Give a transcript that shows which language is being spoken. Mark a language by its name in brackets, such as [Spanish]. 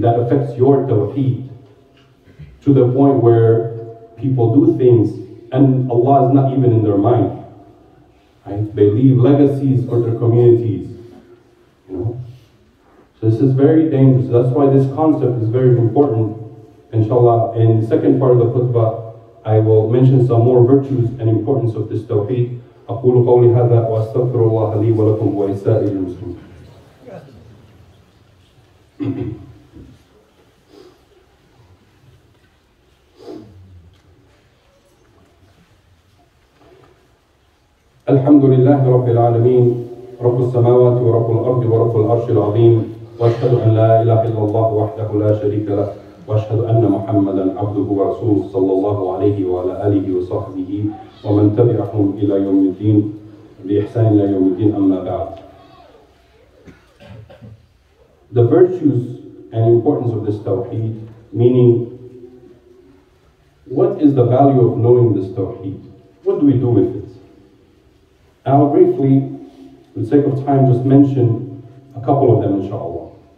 [English] That affects your tawheed to the point where people do things and Allah is not even in their mind. Right? They leave legacies for their communities. You know? So this is very dangerous. That's why this concept is very important. Inshallah, in the second part of the khutbah, I will mention some more virtues and importance of this tawheed. [Arabic] أقول قولي هذا وأستغفر الله لي ولكم ولسائر المسلمين. الحمد لله رب العالمين رب السماوات ورب الأرض ورب العرش العظيم وأشهد أن لا إله إلا الله وحده لا شريك له وأشهد أن محمدًا عبده ورسوله صلى الله عليه وعلى آله وصحبه ومن تبعهم إلى يوم الدين بإحسان إلى يوم الدين أما بعد. [English] The virtues and importance of this tawheed, meaning what is the value of knowing this tawheed? What do we do with it? I'll briefly, for the sake of time, just mention a couple of them inshallah.